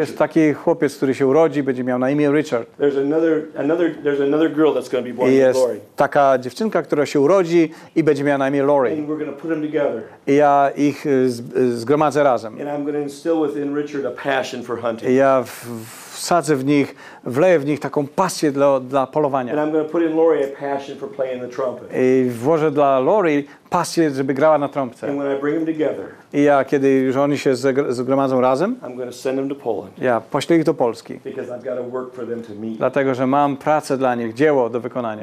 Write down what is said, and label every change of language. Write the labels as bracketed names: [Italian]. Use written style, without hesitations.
[Polish] Jest taki chłopiec, który się urodzi, będzie miał na imię Richard. [English] There's another girl that's going to be born named Lori. [Polish] Taka dziewczynka, która się urodzi i będzie miała na imię Lori. [English] And we're going to put them together. [Polish] I ja ich zgromadzę razem. [English] And I'm going to instill within Richard a passion for hunting. [Polish] I ja wsadzę w nich, wleję w nich taką pasję dla polowania. [English] And I'm going to put in Lori a passion for playing the trumpet. [Polish] I włożę dla Lori pasję, żeby grała na trąbce. [English] And when I bring them together, [Polish] i ja, kiedy już oni się zgromadzą razem, [English] I'm going to send them to Poland. [Polish] Ja poślę ich do Polski. [English] Because I've got to work for them to meet. [Polish] Dlatego, że mam pracę dla nich, dzieło do wykonania.